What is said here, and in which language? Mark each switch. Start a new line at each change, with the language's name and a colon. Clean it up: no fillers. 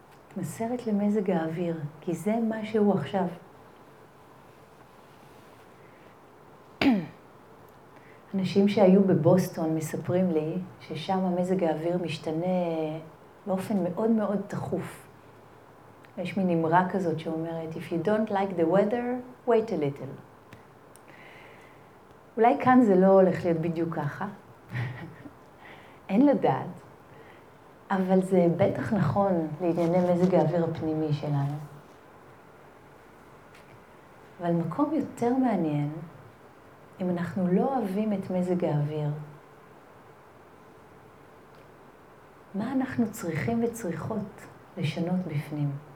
Hebrew: מתמסרת למזג האוויר, כי זה מה שהוא עכשיו. אנשים שהיו בבוסטון מספרים לי ששם המזג האוויר משתנה באופן מאוד מאוד תכוף. יש מין אמרה כזאת שאומרת,
English: If you don't like the weather, wait a little.
Hebrew: אולי כאן זה לא הולך להיות בדיוק ככה. אין לדעת. אבל זה בטח נכון לענייני מזג האוויר הפנימי שלנו. אבל מקום יותר מעניין, אם אנחנו לא אוהבים את מזג האוויר, מה אנחנו צריכים וצריכות לשנות בפנים?